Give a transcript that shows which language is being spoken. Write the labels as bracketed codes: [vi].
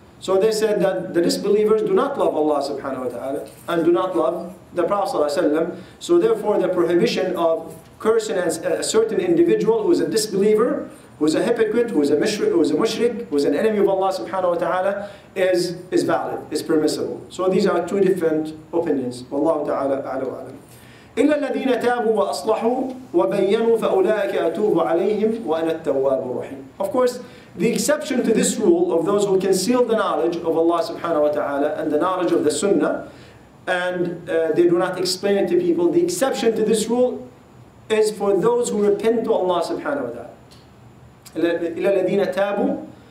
[en] So they said that the disbelievers do not love Allah subhanahu wa ta'ala and do not love the Prophet sallallahu alaihi wasallam. So therefore the prohibition of cursing a certain individual who is a disbeliever, who is a hypocrite, who is a mushrik, who is an enemy of Allah subhanahu wa ta'ala is valid, is permissible. So these are two different opinions. [ar] Wallahu ta'ala a'la wa a'lam. إِلَّا الَّذِينَ تَابُوا وَأَصْلَحُوا وَبَيَّنُوا فَأُولَٰئِكَ أَتُوبُ عَلَيْهِمْ وَأَنَا التَّوَّابُ الرَّحِيمُ. [en] Of course, The exception to this rule of those who conceal the knowledge of Allah subhanahu wa ta'ala and the knowledge of the sunnah, and they do not explain it to people, the exception to this rule is for those who repent to Allah subhanahu wa ta'ala. [ar] إِلَى الَّذِينَ تَابُوا.